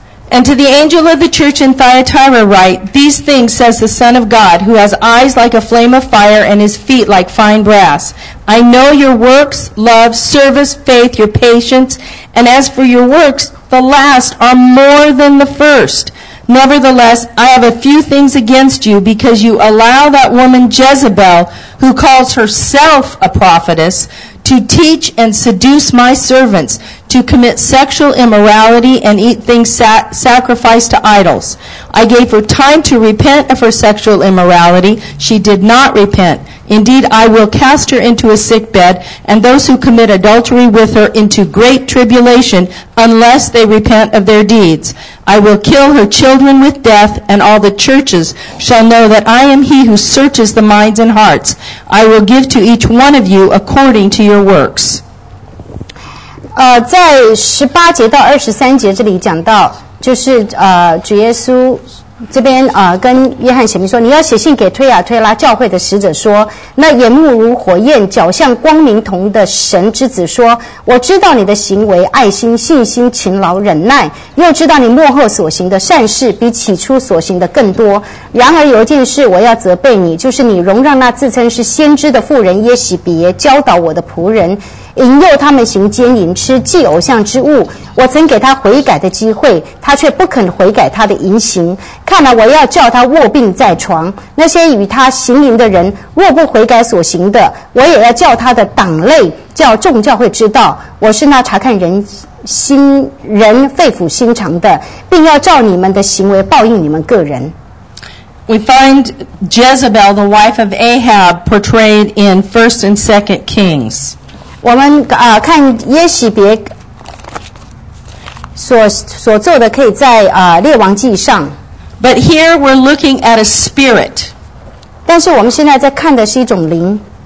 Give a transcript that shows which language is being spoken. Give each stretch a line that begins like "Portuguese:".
English: And to the angel of the church in Thyatira write, These things says the Son of God, who has eyes like a flame of fire and his feet like fine brass. I know your works, love, service, faith, your patience. And as for your works, the last are more than the first. Nevertheless, I have a few things against you because you allow that woman Jezebel, who calls herself a prophetess, to teach and seduce my servants, to commit sexual immorality and eat things sacrificed to idols. I gave her time to repent of her sexual immorality. She did not repent. Indeed, I will cast her into a sick bed and those who commit adultery with her into great tribulation unless they repent of their deeds. I will kill her children with death, and all the churches shall know that I am he who searches the minds and hearts. I will give to each one of you according to your works.
Chinese: 在十八节到二十三节这里讲到，就是主耶稣这边跟约翰写明说，你要写信给推亚推拉教会的使者说，那眼目如火焰、脚像光明铜的神之子说，我知道你的行为、爱心、信心、勤劳、忍耐，又知道你末后所行的善事比起初所行的更多。然而有一件事我要责备你，就是你容让那自称是先知的妇人耶洗别教导我的仆人，引诱他们行奸淫，吃祭偶像之物。我曾给他悔改的机会，他却不肯悔改他的淫行。看来我要叫他卧病在床。那些与他行淫的人，若不悔改所行的，我也要叫他的党类，叫众教会知道，我是那查看人心、人肺腑心肠的，并要照你们的行为报应你们个人。
English: We find Jezebel, the wife of Ahab, portrayed in 1 and 2 Kings.
Chinese: 我们看耶洗别所做的，可以在列王记上。
English: But here we're looking at a spirit.
Chinese: 但是我们现在在看的是一种灵。